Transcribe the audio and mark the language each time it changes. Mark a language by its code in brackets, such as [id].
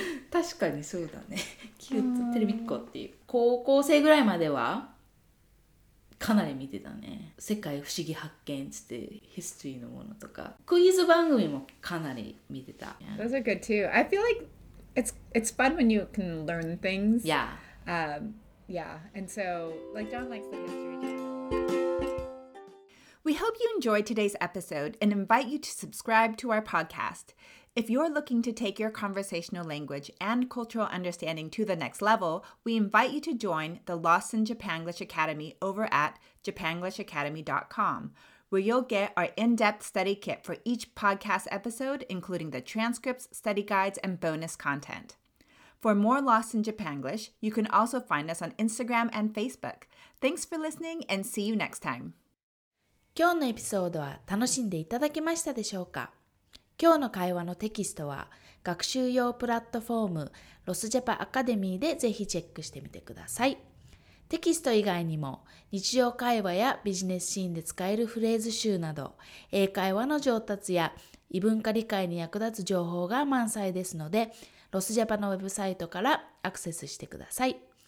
[ja] 確かにそうだね。キュートテレビっ子っていう。高校生ぐらいまではかなり見てたね。世界不思議発見つって、ヒストリーのものとか。クイズ番組もかなり見てた。 [en] Those are good too. I feel like it's fun when you can learn things. Yeah. Yeah. And so, like John likes the history too. We hope you enjoyed today's episode and invite you to subscribe to our podcast. If you're looking to take your conversational language and cultural understanding to the next level, we invite you to join the Lost in Japanglish Academy over at japanglishacademy.com, where you'll get our in-depth study kit for each podcast episode, including the transcripts, study guides, and bonus content. For more Lost in Japanglish, you can also find us on Instagram and Facebook. Thanks for listening and see you next time. [ja] 今日のエピソードは楽しんでいただけましたでしょうか。今日の会話のテキストは学習用プラットフォームロスジャパアカデミーでぜひチェックしてみてください。テキスト以外にも日常会話やビジネスシーンで使えるフレーズ集など英会話の上達や異文化理解に役立つ情報が満載ですのでロスジャパのウェブサイトからアクセスしてください。